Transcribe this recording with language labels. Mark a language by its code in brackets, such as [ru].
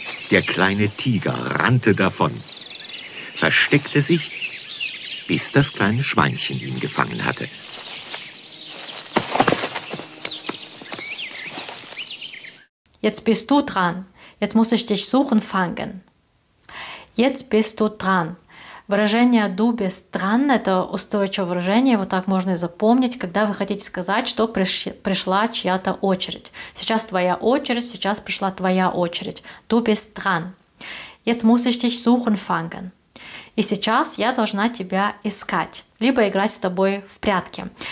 [de] Der kleine Tiger rannte davon, versteckte sich, bis das kleine Schweinchen ihn gefangen hatte. Jetzt bist du dran. Jetzt muss ich dich suchen fangen. Jetzt bist du dran. [ru] Выражение [de] «du bist dran» [ru] – это устойчивое выражение, вот так можно и запомнить, когда вы хотите сказать, что пришла чья-то очередь. Сейчас твоя очередь, сейчас пришла твоя очередь. [de] «Du bist dran». «Jetzt muss ich dich suchen fangen». [ru] «И сейчас я должна тебя искать», либо играть с тобой в прятки.